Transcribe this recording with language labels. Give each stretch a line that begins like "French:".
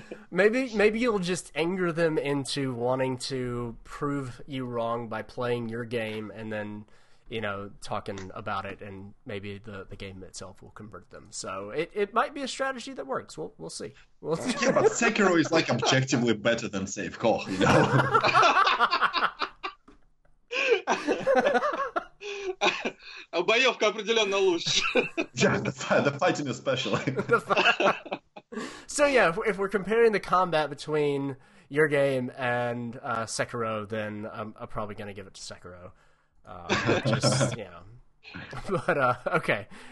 English: Maybe you'll just anger them into wanting to prove you wrong by playing your game and then, you know, talking about it, and maybe the game itself will convert them. So it might be a strategy that works. We'll see. Yeah, but Sekiro is like objectively better than Safe Call, you know?
Russian: А боевка определенно лучше.
English: Yeah, the fighting especially. So yeah, if we're comparing the combat between your game and Sekiro, then I'm probably going to give it to Sekiro. Okay.